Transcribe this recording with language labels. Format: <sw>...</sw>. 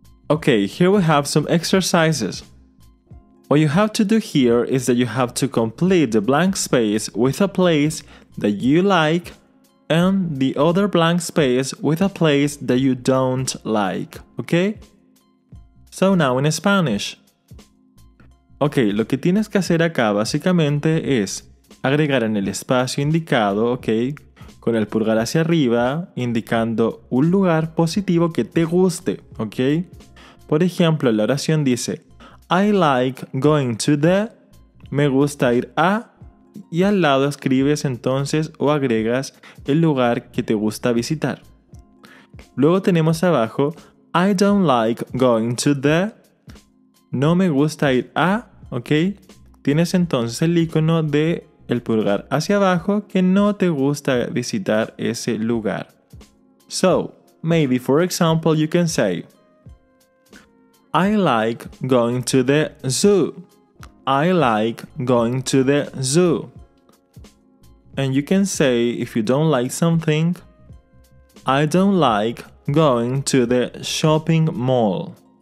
<en>Okay, here we have some exercises. What you have to do here is that you have to complete the blank space with a place that you like and the other blank space with a place that you don't like, okay? So now in Spanish.</en> <es>Okay, lo que tienes que hacer acá básicamente es agregar en el espacio indicado, okay, con el pulgar hacia arriba, indicando un lugar positivo que te guste, okay? Por ejemplo, la oración dice,</es> <en>I like going to the,</en> <es>me gusta ir a, y al lado escribes entonces o agregas el lugar que te gusta visitar. Luego tenemos abajo,</es> <en>I don't like going to the,</en> <es>no me gusta ir a, ok. Tienes entonces el icono de el pulgar hacia abajo que no te gusta visitar ese lugar.</es> <en>So, maybe for example you can say, I like going to the zoo. I like going to the zoo. And you can say, if you don't like something, I don't like going to the shopping mall.</en>